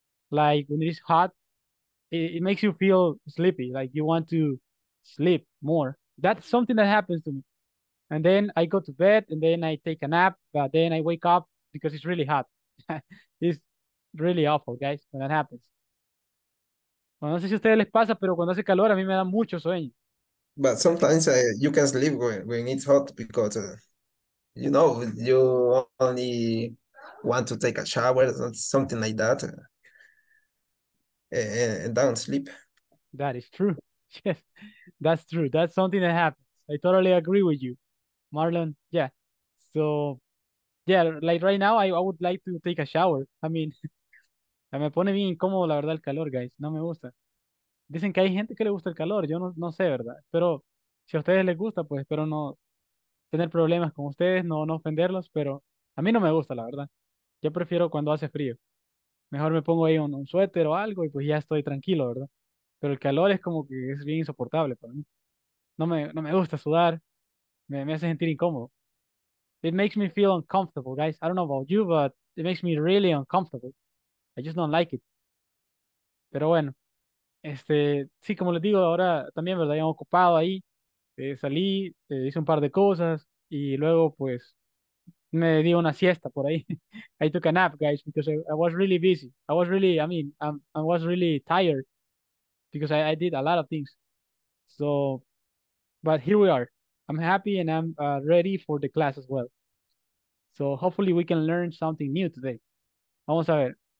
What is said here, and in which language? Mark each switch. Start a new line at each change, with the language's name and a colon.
English: Like when it is hot, it makes you feel sleepy, like you want to sleep more. That's something that happens to me. And then I go to bed and then I take a nap, but then I wake up because it's really hot. It's really awful, guys, when that happens.
Spanish: Well, no sé si a ustedes les pasa, pero cuando hace calor a mí me da mucho sueño.
English: But sometimes you can sleep when it's hot because, you know, you only want to take a shower or something like that. And don't sleep. That is true. Yes, that's true. That's something that happens. I totally agree with you, Marlon. Yeah. So, yeah, like right now, I would like to take a shower. I mean,
Spanish: me pone bien incómodo, la verdad, el calor, guys. No me gusta. Dicen que hay gente que le gusta el calor. Yo no sé, ¿verdad? Pero si a ustedes les gusta, pues espero no tener problemas con ustedes, no ofenderlos. Pero a mí no me gusta, la verdad. Yo prefiero cuando hace frío. Mejor me pongo ahí un suéter o algo y pues ya estoy tranquilo, ¿verdad? Pero el calor es como que es bien insoportable para mí. No me gusta sudar. Me hace sentir incómodo.
English: It makes me feel uncomfortable, guys. I don't know about you, but it makes me really uncomfortable. I just don't like it.
Spanish: Pero bueno, sí, como les digo, ahora también, ¿verdad? Yo ocupado ahí. Salí, hice un par de cosas y luego, pues, me di una siesta por ahí.
English: I took a nap, guys, because I was really busy. I was really, I mean, I was really tired because I did a lot of things. So, but here we are. I'm happy and I'm ready for the class as well. So hopefully we can learn something new today.
Spanish: Vamos a ver.